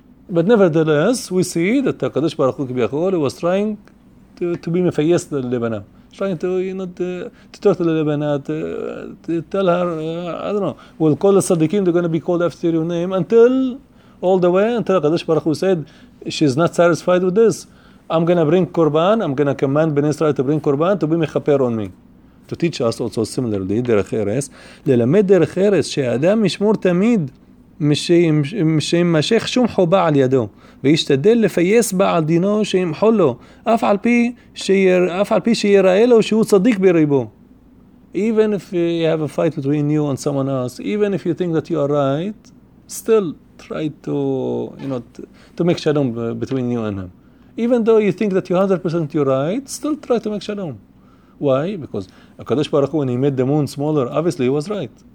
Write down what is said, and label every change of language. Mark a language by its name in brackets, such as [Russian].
[English] But nevertheless, we see that Kadosh Baruch Hu was trying to be mefayes to Lebanon, trying to, you know, to talk to the Lebanon, to tell her, I don't know, we'll call the Sadiqim, they're going to be called after your name, until Kadosh Baruch Hu said, she's not satisfied with this. I'm going to bring Korban, I'm going to command Ben Israel to bring Korban to be mechaper on me. To teach us also similarly, Derech Eretz, [Hebrew] ללמד Derech Eretz, שהאדם ישמור תמיד משמשך שום חובה על ידו, וישתדל לפייס בעל דינו שימחול לו, אף על פי שיראה לו שהוא צדיק בריבו. [English] Even if you have a fight between you and someone else, even if you think that you are right, still try to, you know, to make shalom between you and him. Even though you think that you 100% you're right, still try to make shalom. Why? Because Kadosh Baruch Hu, when he made the moon smaller, obviously he was right.